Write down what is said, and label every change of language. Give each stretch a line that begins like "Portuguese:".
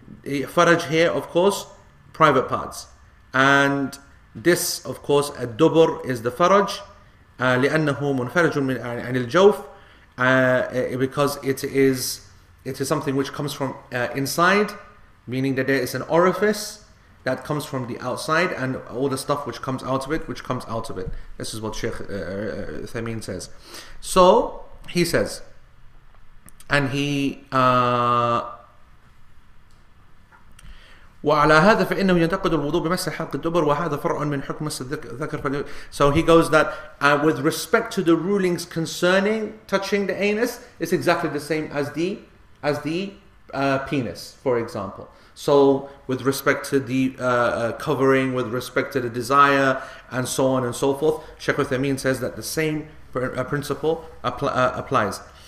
English: The faraj here, of course, private parts. And this, of course, a dubur is the faraj,
Arabic: لأنه منفرج من عن الجوف,
English: because it is something which comes from inside, meaning that there is an orifice. that comes from the outside and all the stuff which comes out of it, which comes out of it. This is what Sheikh Thameen says. So he says, and he
Arabic: وعلى هذا فإنه ينتقد الوضوء بمسح حلق الدبر وهذا فرع من حكم الذكر.
English: So he goes that with respect to the rulings concerning touching the anus, it's exactly the same as the penis, for example. So with respect to the covering, with respect to the desire, and so on and so forth, Sheikh Uthaymeen says that the same principle applies.